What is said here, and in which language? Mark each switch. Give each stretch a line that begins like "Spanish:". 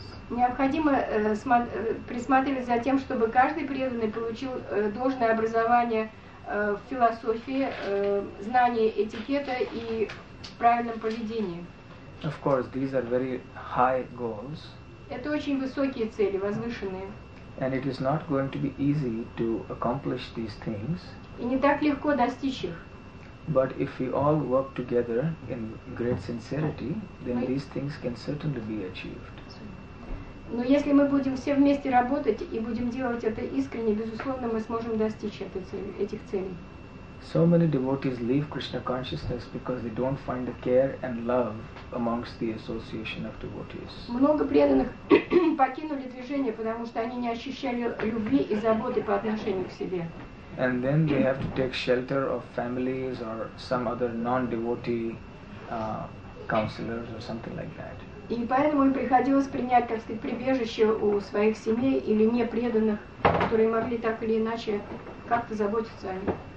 Russian: Необходимо присматривать за тем, чтобы каждый преданный получил должное образование в философии, знание этикета и правильном поведении.
English: Of course, these are very high goals.
Russian: Это очень высокие цели, возвышенные.
English: And it is not going to be easy to accomplish these things.
Russian: И не так легко достичь их.
English: But if we all work together in great sincerity, then these things can certainly be achieved.
Russian: Но если мы будем все вместе работать и будем делать это искренне, безусловно, мы сможем достичь этих целей.
English: So many devotees leave Krishna consciousness because they don't find the care and love amongst the association of devotees.
Russian: Много преданных покинули движение, потому что они не ощущали любви и заботы по отношению к себе.
English: And then they have to take shelter of families or some other non-devotee counselors or something like that.
Russian: И поэтому им приходилось принять, так сказать, прибежище у своих семей или непреданных, которые могли так или иначе как-то заботиться о них.